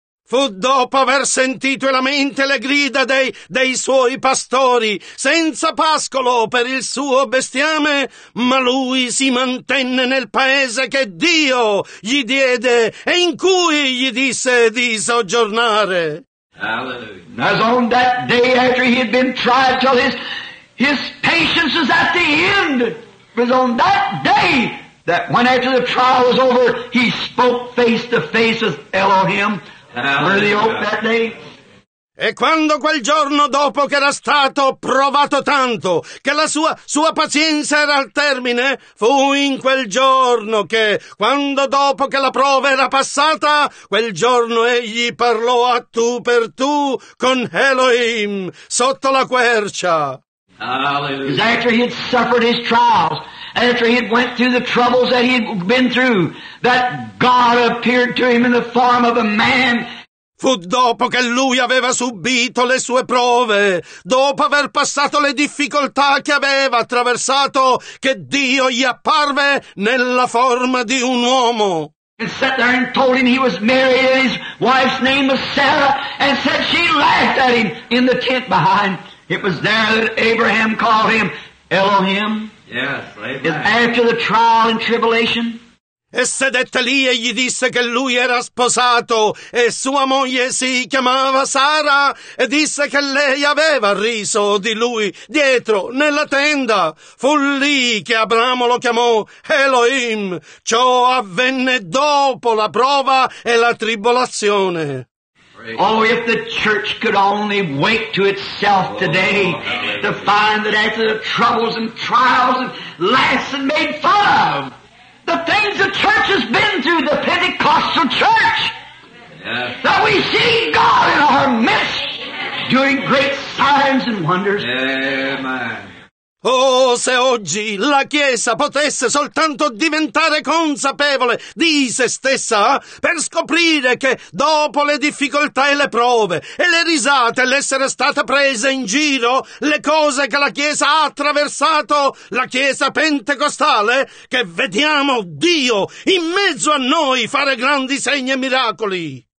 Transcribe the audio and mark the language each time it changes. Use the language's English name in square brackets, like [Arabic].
[Italian] Fu dopo aver sentito e lamente le grida dei suoi pastori, senza pascolo per il suo bestiame, ma lui si mantenne nel paese che Dio gli diede e in cui gli disse di soggiornare. [English] Hallelujah. As on that day after he had been tried till his patience was at the end, it was on that day that when after the trial was over, he spoke face to face with Elohim. Were they open that day? [Italian] E quando quel giorno dopo che era stato provato tanto, che la sua pazienza era al termine, fu in quel giorno che, quando dopo che la prova era passata, quel giorno egli parlò a tu per tu con Elohim sotto la quercia. [English] Hallelujah. After he had suffered his trials, after he had went through the troubles that he had been through, that God appeared to him in the form of a man. [Italian] Fu dopo che lui aveva subito le sue prove, dopo aver passato le difficoltà che aveva attraversato, che Dio gli apparve nella forma di un uomo. [English] And sat there and told him he was married and his wife's name was Sarah, and said she laughed at him in the tent behind. It was there that Abraham called him Elohim. Yes, after the trial and tribulation. [Italian] E sedette lì e gli disse che lui era sposato e sua moglie si chiamava Sara, e disse che lei aveva riso di lui dietro nella tenda. Fu lì che Abramo lo chiamò Elohim. Ciò avvenne dopo la prova e la tribolazione. [English] Oh, if the church could only wake to itself today to find that after the troubles and trials and laughs and made fun of, the things the church has been through, the Pentecostal church, that we see God in our midst doing great signs and wonders. Amen. [Italian] Oh, se oggi la Chiesa potesse soltanto diventare consapevole di se stessa, per scoprire che dopo le difficoltà e le prove e le risate, l'essere stata presa in giro, le cose che la Chiesa ha attraversato, la Chiesa pentecostale, che vediamo Dio in mezzo a noi fare grandi segni e miracoli.